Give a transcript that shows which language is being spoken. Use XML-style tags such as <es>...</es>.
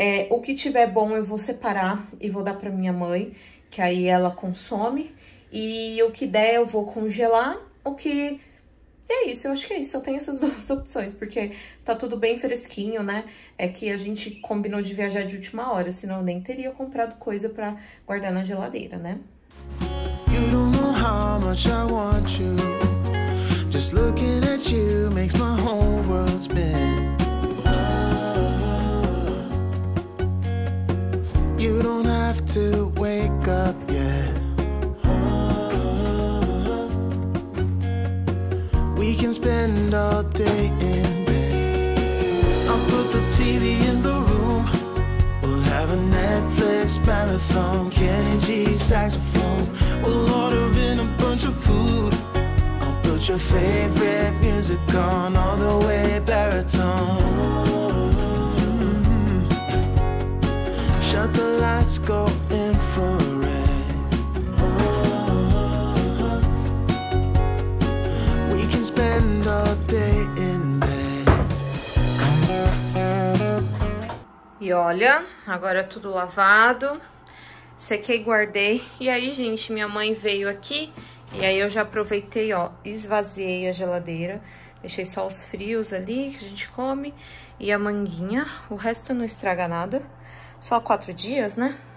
<pt>O que tiver bom eu vou separar e vou dar pra minha mãe, que aí ela consome. E o que der eu vou congelar, o que... E é isso, eu acho que é isso, eu tenho essas duas opções, porque tá tudo bem fresquinho, né? É que a gente combinou de viajar de última hora, senão eu nem teria comprado coisa pra guardar na geladeira, né?</pt> <en>You don't know how much I want you. Just looking at you makes my whole world spin. You don't have to wake up yet. We can spend all day in bed. I'll put the TV in the room. We'll have a Netflix marathon. Kenji's saxophone. We'll order in a bunch of food. Put your favorite music on, all the way baritone. Shut the lights, go infrared. We can spend all day in bed.</en> <pt>E olha, agora é tudo lavado. Sequei, guardei. E aí, gente, minha mãe veio aqui. E aí eu já aproveitei, ó, esvaziei a geladeira, deixei só os frios ali que a gente come e a manguinha, o resto não estraga nada, só 4 dias, né?</pt>